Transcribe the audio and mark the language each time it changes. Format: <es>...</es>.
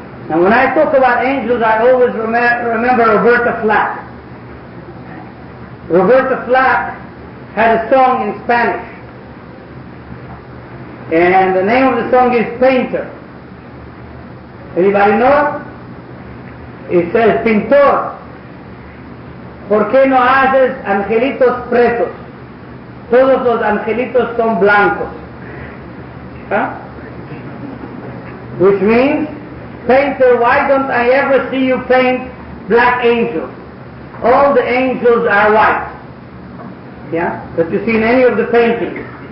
<en>And when I talk about angels, I always remember Roberta Flack. Roberta Flack had a song in Spanish. And the name of the song is Painter. Anybody know it? It says,</en> <es>Pintor, ¿por qué no haces angelitos pretos? Todos los angelitos son blancos. Huh?</es> <en>Which means, painter, why don't I ever see you paint black angels? All the angels are white. Yeah? That you see in any of the paintings.</en>